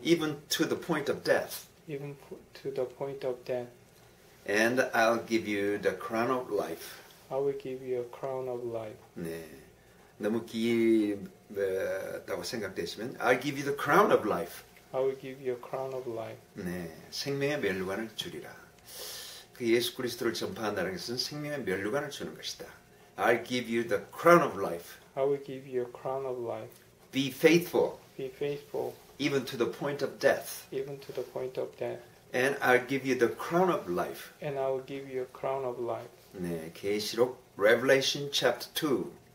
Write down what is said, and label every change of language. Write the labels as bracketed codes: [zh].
[en] Even to the point of death. Even to the point of death. And I'll give you the crown of life. I will give you a crown of life. [ko] 네. 너무 길다고 생각되시면, [en] I'll give you the crown of life. I will give you a crown of life. [ko] 네. 생명의 면류관을 주리라. 그 예수 그리스도를 전파한다는 것은 생명의 면류관을 주는 것이다. [en] I'll give you the crown of life. I will give you a crown of life. Be faithful. Be faithful. Even to the point of death. Even to the point of death. And I'll give you the crown of life. And I will give you a crown of life. [ko] 네, 계시록 [en] Revelation chapter 2.